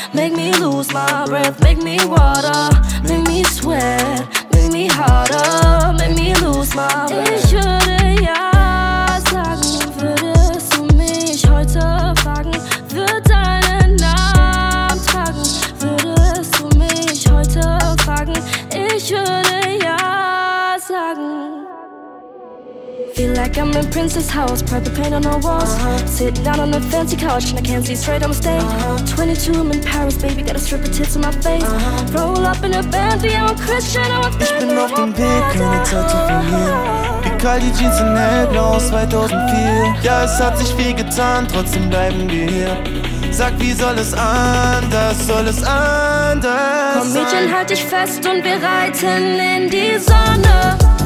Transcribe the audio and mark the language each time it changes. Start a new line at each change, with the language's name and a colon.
English: Make me lose my breath, make me water. Make me sweat, make me harder, make me lose my breath.
German: Ich würde ja sagen, würdest du mich heute fragen, würd deinen Namen tragen. Würdest du mich heute fragen, ich würde ja sagen.
English: Feel like I'm in Prince's house, private paint on our walls. Sitting down on a fancy couch and I can't see straight, I'ma stay. 22, I'm in Paris, baby, got a strip of tits on my face. Roll up in a Bentley, I'm a Christian, I'm a
German: Bentley. Ich bin auf dem Weg, keine Zeit zu verlieren. Egal, die Jeans sind hellblau aus 2004. Ja, es hat sich viel getan, trotzdem bleiben wir hier. Sag, wie soll es anders, soll es anders sein? Komm, Mädchen, halt dich fest und wir reiten in die Sonne.